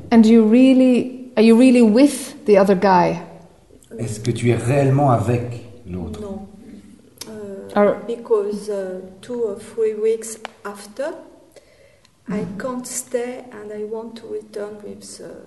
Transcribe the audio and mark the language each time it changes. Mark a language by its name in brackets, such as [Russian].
[English] And are you really with the other guy? [French] Est-ce que tu es réellement avec l'autre? Non. [English] Because 2 or 3 weeks after, I can't stay and I want to return with.